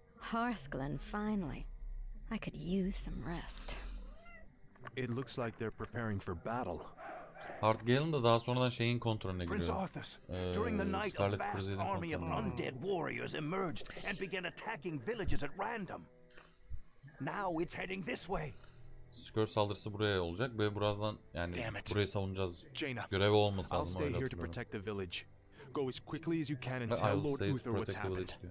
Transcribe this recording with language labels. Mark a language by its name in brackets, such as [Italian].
[English] Hearthglen, finally. I could use some rest. It looks like they're preparing for battle. [Turkish] Hearthglen da daha sonradan şeyin kontrolüne giriyor. [English] Prince Arthas, during the night, a vast army of undead warriors emerged and began attacking villages at random. Now it's heading this way. [Turkish] Skirt saldırısı buraya olacak ve birazdan yani burayı savunacağız. Görevi olması lazım. [English] I'll stay here to protect the village. Go as quickly as you can and tell Lord Uther what's happened.